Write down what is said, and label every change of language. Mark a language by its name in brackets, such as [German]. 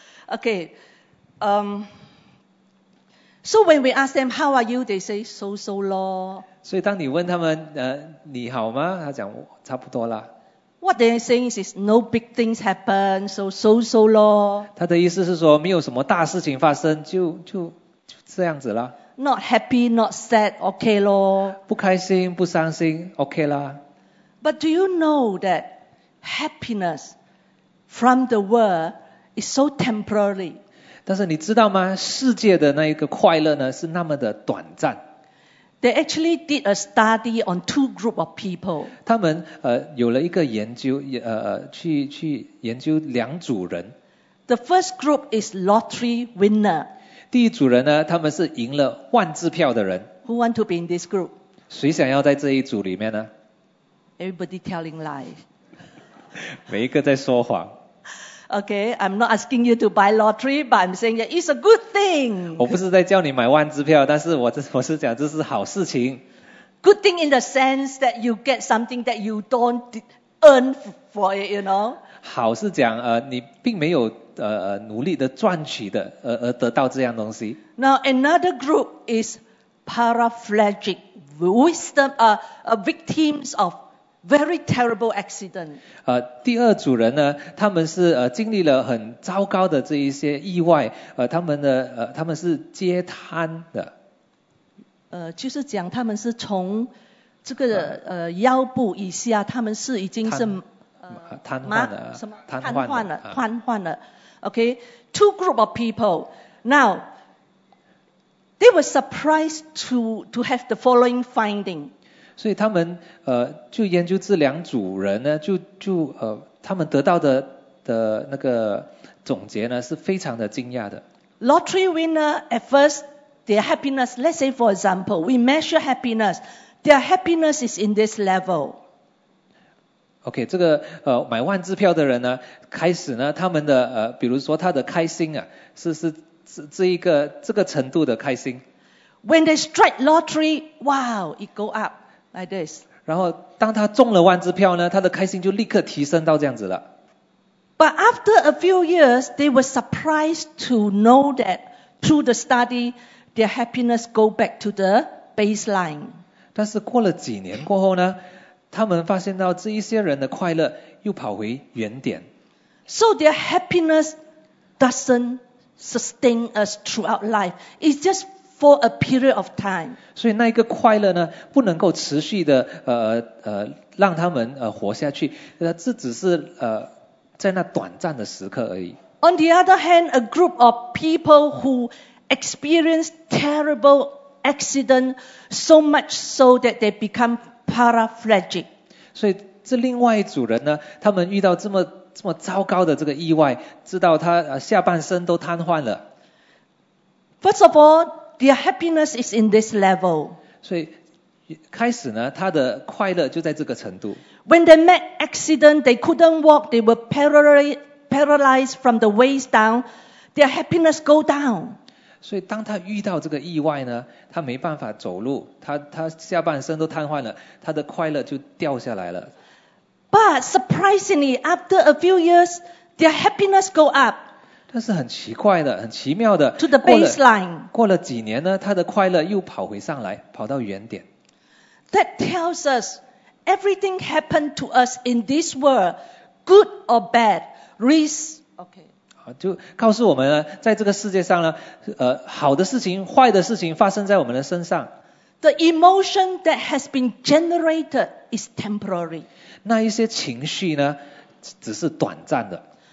[English] Okay, so when we ask them how are you, they say so so lor. [Chinese] 所以当你问他们你好吗，他讲差不多啦。 [English] What they're saying is no big things happen, so so so lor. [Chinese] 他的意思是说没有什么大事情发生，就这样子啦。 [English] Not happy, not sad, okay lor. [Chinese] 不开心不伤心 okay 啦。 [English] But do you know that happiness from the world is so temporary? [Chinese] 但是你知道吗，世界的那一个快乐呢是那么的短暂。 [English] They actually did a study on two group of people. [Chinese] 他们有了一个研究去研究两组人。 [English] The first group is lottery winner. [Chinese] 第一组人呢，他们是赢了万字票的人。 [English] Who want to be in this group? [Chinese] 谁想要在这一组里面呢？ [English] Everybody telling lies. [Chinese] 每一个在说谎。 [English] Okay, I'm not asking you to buy lottery, but I'm saying that it's a good thing. [Chinese] 我不是在叫你买万字票，但是我是讲这是好事情。 [English] Good thing in the sense that you get something that you don't earn for it, you know. [Chinese] 好是讲你并没有努力的赚取的而得到这样东西。 [English] Now another group is paraplegic, victims of. Very terrible accident. [Chinese] 第二组人呢，他们是经历了很糟糕的这一些意外，他们是接瘫的。就是讲他们是从这个腰部以下，他们是已经是瘫痪了，瘫痪了。 [English] Okay, two group of people. Now, they were surprised to have the following finding. [Chinese] 所以他们就研究这两组人呢，就他们得到的那个总结呢是非常的惊讶的。 [English] Lottery winner at first their happiness, let's say for example, we measure happiness, their happiness is in this level. [Chinese] Okay, 这个买万字票的人呢，开始呢他们的比如说他的开心啊，是这一个这个程度的开心。 [English] When they strike lottery, wow, it go up like this. [Chinese] 然后当他中了万字票呢，他的开心就立刻提升到这样子了。 [English] But after a few years, they were surprised to know that through the study, their happiness go back to the baseline. [Chinese] 但是过了几年过后呢，他们发现到这一些人的快乐又跑回原点。 [English] So their happiness doesn't sustain us throughout life. It's just for a period of time. [Chinese] 所以那一个快乐呢，不能够持续的让他们活下去。这只是在那短暂的时刻而已。 [English] On the other hand, a group of people who experience terrible accident so much so that they become paraplegic. [Chinese] 所以这另外一组人呢，他们遇到这么糟糕的这个意外，知道他下半身都瘫痪了。 [English] First of all, their happiness is in this level. [Chinese] 所以开始呢，他的快乐就在这个程度。 [English] When they met accident, they couldn't walk, they were paralyzed from the waist down. Their happiness go down. [Chinese] 所以当他遇到这个意外呢，他没办法走路，他下半身都瘫痪了，他的快乐就掉下来了。 [English] But surprisingly, after a few years, their happiness go up. [Chinese] 但是很奇怪的，很奇妙的。 [English] To the baseline. [Chinese] 过了几年呢，他的快乐又跑回上来，跑到原点。 [English] That tells us, everything happened to us in this world, good or bad, risk. Okay. [Chinese] 就告诉我们呢，在这个世界上呢，好的事情、坏的事情发生在我们的身上。 [English] The emotion that has been generated is temporary. [Chinese] 那一些情绪呢，只是短暂的。